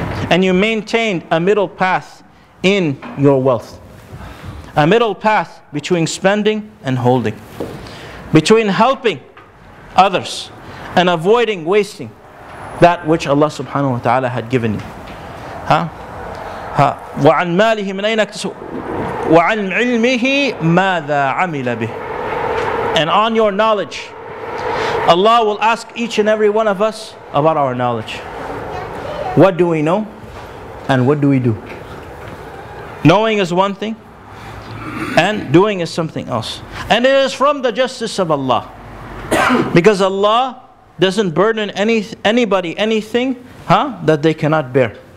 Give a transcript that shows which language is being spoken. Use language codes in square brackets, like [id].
[en] And you maintained a middle path in your wealth. A middle path between spending and holding. Between helping others and avoiding wasting that which Allah subhanahu wa ta'ala had given you. Huh? [ar] وَعَنْ مَالِهِ مِنْ أَيْنَ اكْتَسَبَهُ وَعَنْ عِلْمِهِ مَاذَا عَمِلَ بِهِ. [en] And on your knowledge, Allah will ask each and every one of us about our knowledge. What do we know? And what do we do? Knowing is one thing, and doing is something else. And it is from the justice of Allah. Because Allah doesn't burden anybody anything, huh, that they cannot bear.